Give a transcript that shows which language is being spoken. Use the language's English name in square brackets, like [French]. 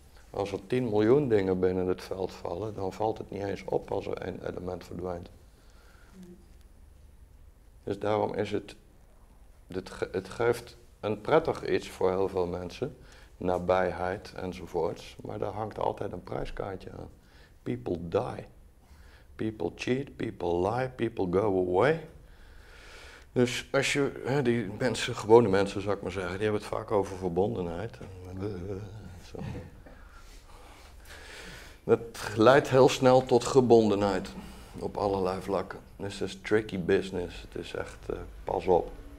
[Dutch] Als er 10 miljoen dingen binnen het veld vallen, dan valt het niet eens op als er één element verdwijnt. Dus daarom is het... Het geeft... Een prettig iets voor heel veel mensen, nabijheid enzovoorts, maar daar hangt altijd een prijskaartje aan. [English] People die. People cheat, people lie, people go away. [Dutch] Dus als je, die mensen, gewone mensen zou ik maar zeggen, die hebben het vaak over verbondenheid. Zo. Dat leidt heel snel tot gebondenheid op allerlei vlakken. Dus dat is [English] tricky business, [Dutch] het is echt, pas op.